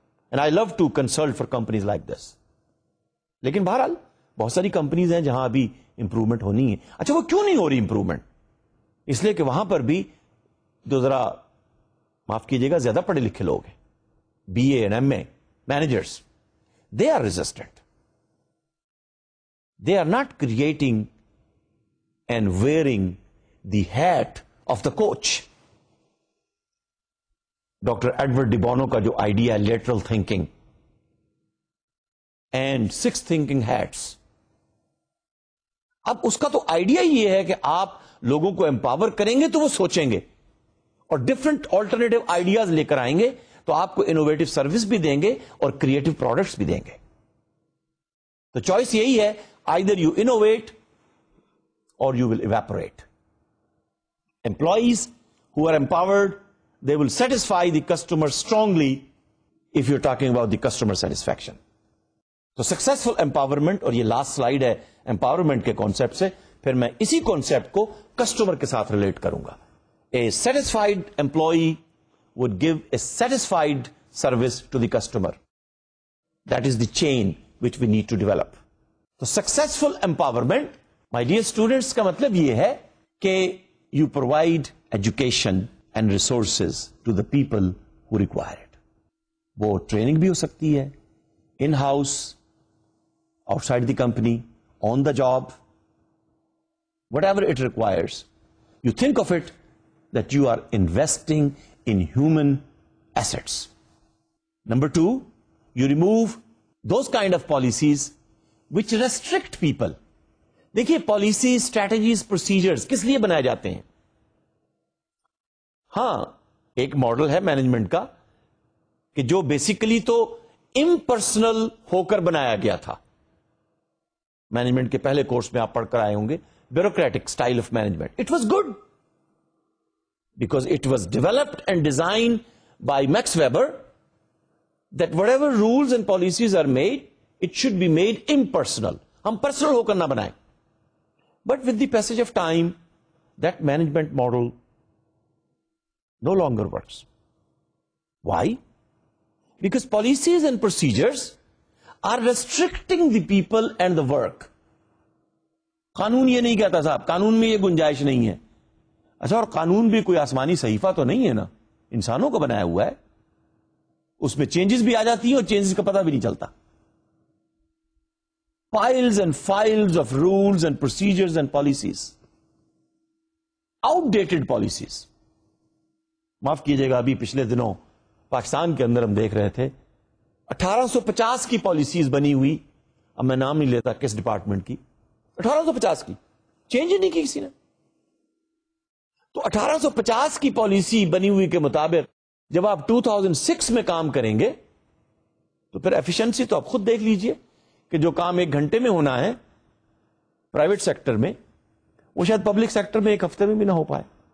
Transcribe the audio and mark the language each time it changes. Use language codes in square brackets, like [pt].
[en] And I love to consult for companies like this. [ur] لیکن بہرحال بہت ساری کمپنیز ہیں جہاں ابھی امپروومنٹ ہونی ہے. اچھا وہ کیوں نہیں ہو رہی امپروومنٹ؟ اس لیے کہ وہاں پر بھی جو ذرا معاف کیجیے گا زیادہ پڑھے لکھے لوگ ہیں, be a and M a managers, [en] They are resistant. They are not creating and wearing the hat of the coach. [ur] Doctor Edward de Bono کا جو آئیڈیا ہے lateral thinking and six thinking hates, اب اس کا تو آئیڈیا یہ ہے کہ آپ لوگوں کو امپاور کریں گے تو وہ سوچیں گے, اور ڈفرنٹ آلٹرنیٹو آئیڈیاز لے کر آئیں گے تو آپ کو انوویٹو سروس بھی دیں گے اور کریٹو پروڈکٹس بھی دیں گے. تو چوائس یہی ہے, [en] Either you innovate or you will evaporate. Employees who are empowered, they will satisfy the customer strongly if you're talking about the customer satisfaction. [ur] تو سکسیسفل امپاورمنٹ, اور یہ لاسٹ سلائیڈ ہے امپاورمنٹ کے کانسیپٹ سے, پھر میں اسی کانسیپٹ کو کسٹمر کے ساتھ ریلیٹ کروں گا. [en] A satisfied employee would give a satisfied service to the customer, that is the chain which we need to develop. تو successful empowerment my dear students [ur] کا مطلب یہ ہے کہ [en] You provide education and resources to the people who require it. [ur] وہ training بھی ہو سکتی ہے [en] In house, outside the company, on the job, whatever it requires. You think of it that you are investing in human assets. Number two, you remove those kind of policies which restrict people. [ur] دیکھیے policies, strategies, procedures کس لیے بنائے جاتے ہیں؟ ہاں, ایک model ہے management کا کہ جو بیسیکلی تو امپرسنل ہو کر بنایا گیا تھا. مینجمنٹ کے پہلے کورس میں آپ پڑھ کر آئے ہوں گے bureaucratic style of management. [en] It was good because it was developed and design by Max Weber that whatever rules and policies are made it should be made impersonal. [ur] ہم پرسنل ہو کر نہ بنائیں. [en] But with the passage of time that management model no longer works. Why? Because policies and procedures are restricting the people and the work. [ur] قانون یہ نہیں کہتا صاحب, قانون میں یہ گنجائش نہیں ہے. اچھا, اور قانون بھی کوئی آسمانی صحیفہ تو نہیں ہے نا, انسانوں کا بنایا ہوا ہے. اس میں چینجز بھی آ جاتی ہیں اور چینجز کا پتہ بھی نہیں چلتا. [en] Piles and files of rules and procedures and policies. Outdated policies. [ur] معاف کیجئے گا, ابھی پچھلے دنوں پاکستان کے اندر ہم دیکھ رہے تھے 1850 کی پالیسیز بنی ہوئی. اب میں نام نہیں لیتا کس ڈپارٹمنٹ کی, 1850 کی, چینج ہی نہیں کی کسی نے. تو 1850 کی پالیسی بنی ہوئی کے مطابق جب آپ 2006 میں کام کریں گے تو پھر ایفیشنسی تو آپ خود دیکھ لیجئے کہ جو کام ایک گھنٹے میں ہونا ہے پرائیویٹ سیکٹر میں وہ شاید پبلک سیکٹر میں ایک ہفتے میں بھی نہ ہو پائے.